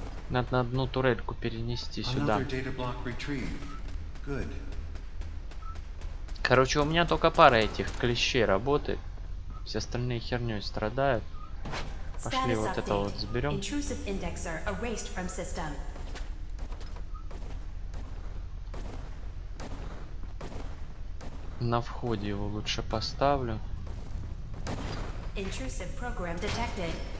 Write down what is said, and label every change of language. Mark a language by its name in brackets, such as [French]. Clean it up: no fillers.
[Russian] Надо на одну турельку перенести сюда. [English] Another data block retrieved. Good. [Russian] Короче, у меня только пара этих клещей работает. Все остальные херней страдают. Пошли вот это вот заберем. [English] Intrusive indexer erased from system. [Russian] На входе его лучше поставлю. [English] Intrusive program detected.